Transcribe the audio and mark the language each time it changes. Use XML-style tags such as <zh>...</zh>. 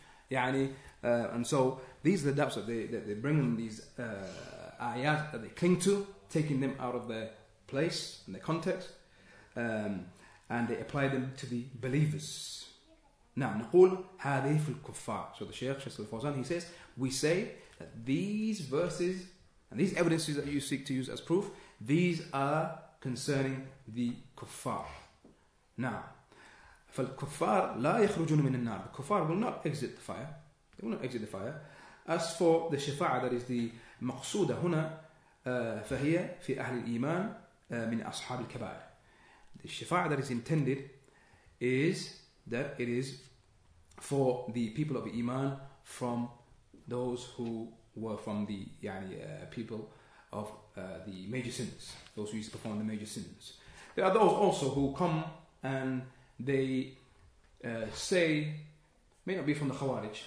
<en>يعني, and so these are the doubts that they bring them, these ayat that they cling to, taking them out of their place and their context, and they apply them to the believers.</en> <ar>Now نقول هذه في الكفار.</ar> <en>So the Shaykh Shaykh Al-Fawzan, he says, we say that these verses and these evidences that you seek to use as proof, these are concerning the kuffar.</en> <ar>Now فالكفار لا يخرجون من النار.</ar> <en>The kuffar will not exit the fire. They will not exit the fire. As for the shafa'a, that is the maqsuda</en> <ar>هنا, فهي في أهل الإيمان من أصحاب الكبائر.</ar> <en>The shafa'a that is intended is that it is for the people of Iman from those who were from the يعني, people of the major sins. Those who used to perform the major sins. There are those also who come and they say, may not be from the Khawarij.</en>